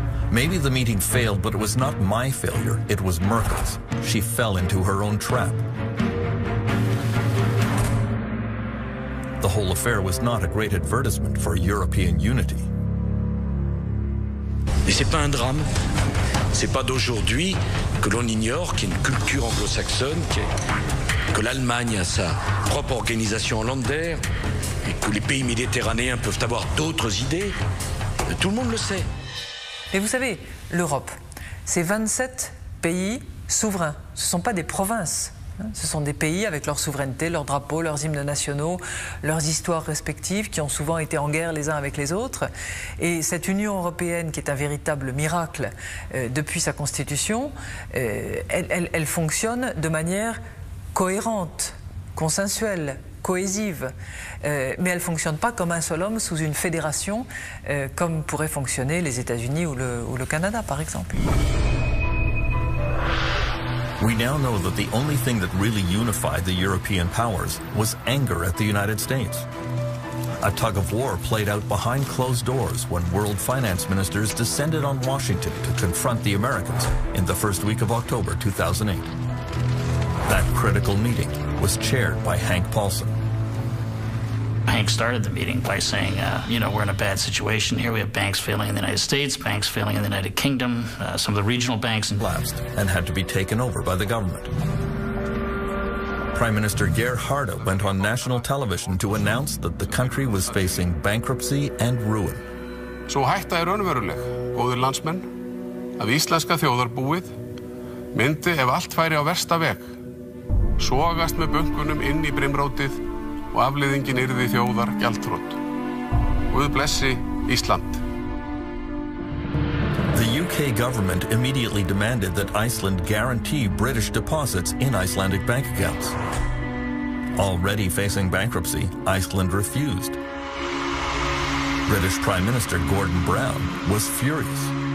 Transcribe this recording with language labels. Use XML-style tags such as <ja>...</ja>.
<en>Maybe the meeting failed, but it was not my failure, it was Merkel's. She fell into her own trap. The whole affair was not a great advertisement for European unity.</en> <fr>Et c'est pas un drame. C'est pas d'aujourd'hui que l'on ignore qu'il y a une culture anglo-saxonne, que l'Allemagne a sa propre organisation Länder, et que les pays méditerranéens peuvent avoir d'autres idées. Tout le monde le sait. Mais vous savez, l'Europe, c'est 27 pays souverains. Ce ne sont pas des provinces. Ce sont des pays avec leur souveraineté, leurs drapeaux, leurs hymnes nationaux, leurs histoires respectives qui ont souvent été en guerre les uns avec les autres. Et cette Union européenne, qui est un véritable miracle depuis sa constitution, elle fonctionne de manière cohérente, consensuelle, cohésive. Mais elle ne fonctionne pas comme un seul homme sous une fédération, comme pourraient fonctionner les États-Unis ou le Canada, par exemple.</fr> <en>We now know that the only thing that really unified the European powers was anger at the United States. A tug of war played out behind closed doors when world finance ministers descended on Washington to confront the Americans in the first week of October 2008. That critical meeting was chaired by Hank Paulson. Hank started the meeting by saying, we're in a bad situation here. We have banks failing in the United States, banks failing in the United Kingdom, some of the regional banks. Collapsed and had to be taken over by the government. Prime Minister Gerharda went on national television to announce that the country was facing bankruptcy and ruin.</en> <is>Svo hætta er raunveruleg, góðir landsmenn, að íslenska þjóðarbúið myndi ef allt færi á versta veg, sogast með bönkunum inn í brimrótið og afleiðingin yrði þjóðar gjaldþrot. Guð blessi Ísland.</is> <en>The UK government immediately demanded that Iceland guarantee British deposits in Icelandic bank accounts. Already facing bankruptcy, Iceland refused. British Prime Minister Gordon Brown was furious.</en>